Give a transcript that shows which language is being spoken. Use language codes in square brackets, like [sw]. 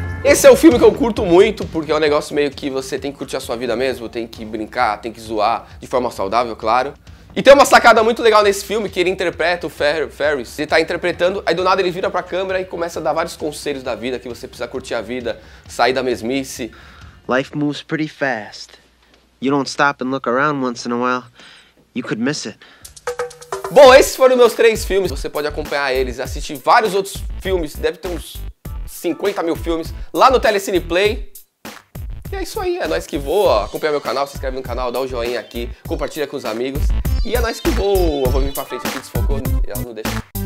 [pt] Esse é o filme que eu curto muito, porque é um negócio meio que você tem que curtir a sua vida mesmo, tem que brincar, tem que zoar, de forma saudável, claro. E tem uma sacada muito legal nesse filme, que ele interpreta o Ferris. Ele tá interpretando, aí do nada ele vira pra câmera e começa a dar vários conselhos da vida, que você precisa curtir a vida, sair da mesmice. [en] Life moves pretty fast. You don't stop and look around once in a while, you could miss it. [pt] Bom, esses foram os meus 3 filmes, você pode acompanhar eles e assistir vários outros filmes, deve ter uns 50 mil filmes, lá no Telecine Play. E é isso aí, é nóis que voa, acompanha meu canal, se inscreve no canal, dá o joinha aqui, compartilha com os amigos. E é nóis que voa, vou vir pra frente aqui, desfocou, e ela não deixa.